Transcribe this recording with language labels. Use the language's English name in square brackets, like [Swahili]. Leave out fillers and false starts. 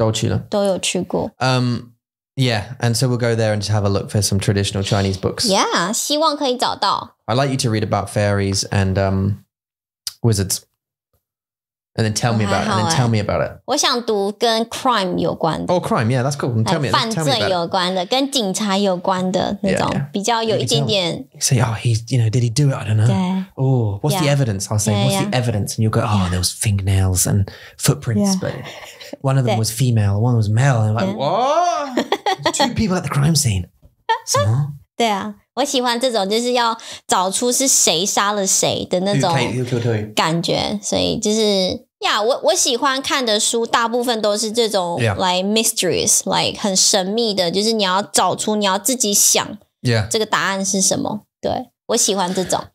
[Chinese] 去了都有去过 [English] Yeah, and so we'll go there and just have a look for some traditional Chinese books [Chinese] Yeah, 希望可以找到 [English] I'd like you to read about fairies and wizards And then tell me about it. And then tell me about it. [Chinese] 我想读跟 crime 有关的。 [English] Oh, crime, yeah, that's cool. Tell me about it. [Chinese] 犯罪有关的，跟警察有关的那种，比较有一点点。 [English] Say, oh, he's, you know, did he do it? I don't know. Oh, what's the evidence? I'll say, what's the evidence? And you'll go, oh, there was fingernails and footprints, but one of them was female, one was male. And I'm like, what? Two people at the crime scene. 什么？ [Chinese] 对啊。我喜欢这种就是要找出是谁杀了谁的那种感觉所以就是 yeah, 我喜欢看的书大部分都是这种 [English] like mysteries, like [Chinese] 很神秘的就是你要找出你要自己想这个答案是什么对我喜欢这种